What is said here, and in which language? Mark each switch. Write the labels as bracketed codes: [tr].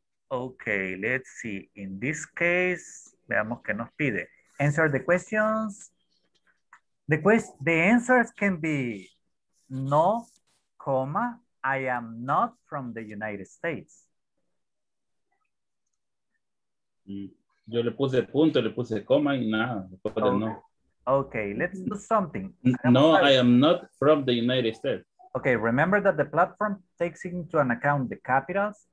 [en] Okay, let's see. In this case, [es] veamos qué nos pide. [en] Answer the questions. The answers can be no, comma, I am not from the United States. [es] Yo le puse punto, le puse coma y nada. [en] Okay, let's do something. No, I am not from the United States. Okay, remember that the platform takes into an account the capitals.